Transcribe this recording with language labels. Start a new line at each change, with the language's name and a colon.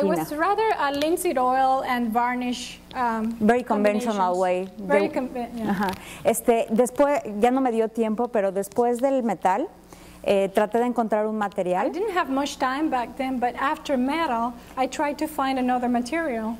English: It was rather a linseed oil and varnish. Very conventional way. Ajá.
Spanish: Después ya no me dio tiempo, pero después del metal. Traté de encontrar un material.
English: I didn't have much time back then, but after metal, I tried to find another material.